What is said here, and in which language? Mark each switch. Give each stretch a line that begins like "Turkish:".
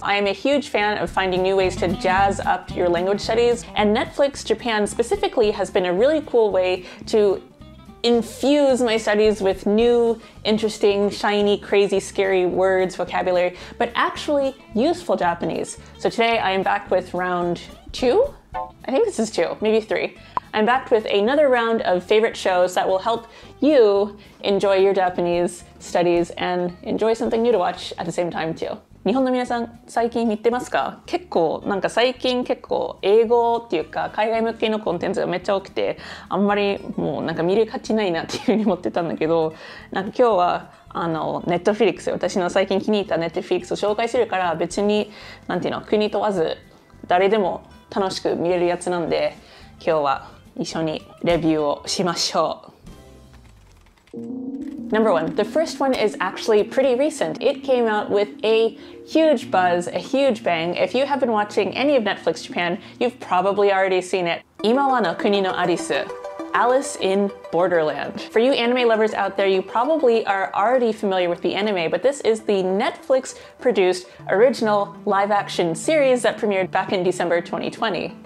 English: I am a huge fan of finding new ways to jazz up your language studies, and Netflix Japan specifically has been a really cool way to infuse my studies with new, interesting, shiny, crazy, scary words, vocabulary, but actually useful Japanese. So today I am back with round two? I think this is two, maybe three. I'm back with another round of favorite shows that will help you enjoy your Japanese studies and enjoy something new to watch at the same time too.
Japanese: 日本の皆さん、最近見てますか？結構、なんか最近結構英語っていうか海外向けのコンテンツがめっちゃ多くて、あんまりもうなんか見る価値ないなっていうふうに思ってたんだけど、なんか今日はあのネットフリックス、私の最近気に入ったネットフリックスを紹介するから、別になんていうの、国問わず誰でも楽しく見れるやつなんで、今日は一緒にレビューをしましょう。
English: Number one, the first one is actually pretty recent. It came out with a huge buzz, a huge bang. If you have been watching any of Netflix Japan, you've probably already seen it. 今はの国のアリス Alice in Borderland. For you anime lovers out there, you probably are already familiar with the anime, but this is the Netflix-produced original live-action series that premiered back in December 2020.